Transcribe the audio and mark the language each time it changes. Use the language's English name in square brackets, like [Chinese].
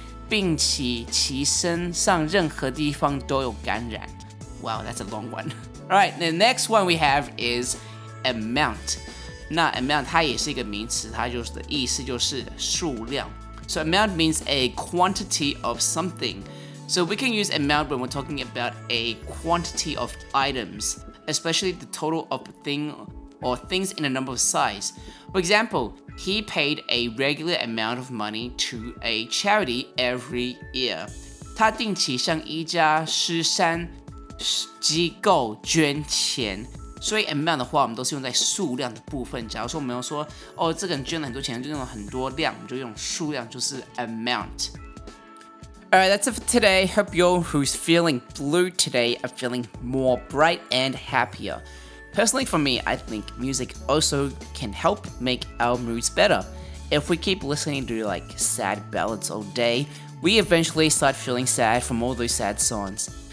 [Chinese] 并且其身上任何地方都有感染 [English] Wow, that's a long one Alright, the next one we have is amount [Chinese] 那 amount 它也是一个名词它就是的意思就是数量 [English] So amount means a quantity of somethingSo we can use amount when we're talking about a quantity of items, especially the total of thing or things in a number of size. For example, he paid a regular amount of money to a charity every year. [Chinese] 他定期向一家慈善机构捐钱。所以 amount 的话我们都是用在数量的部分，假如说我们说哦，这个人捐了很多钱就用了很多量，我们就用数量，就是 amount。 [English] Alright, that's it for today. Hope you all who's feeling blue today are feeling more bright and happier. Personally for me, I think music also can help make our moods better. If we keep listening to like sad ballads all day, we eventually start feeling sad from all those sad songs.